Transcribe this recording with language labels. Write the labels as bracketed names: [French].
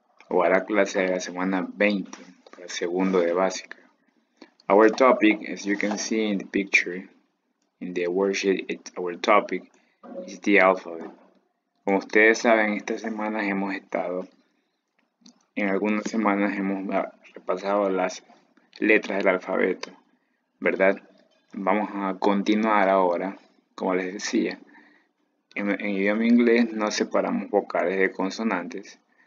[Spanish] O a la clase de la semana 20, para segundo de básica. [English] Our topic, as you can see in the picture, in the worksheet, our topic is the alphabet. [Spanish] Como ustedes saben, estas semanas hemos estado, en algunas semanas hemos repasado las letras del alfabeto, ¿verdad? Vamos a continuar ahora, como les decía. En idioma inglés no separamos vocales de consonantes.